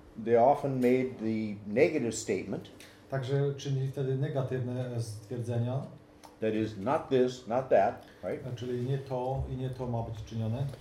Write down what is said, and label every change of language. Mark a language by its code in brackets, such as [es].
[en] they often made the negative statement, [pl] także czynili wtedy negatywne stwierdzenia, [en] that is not this, not that, right? [pl] Czyli nie to i nie to ma być czynione.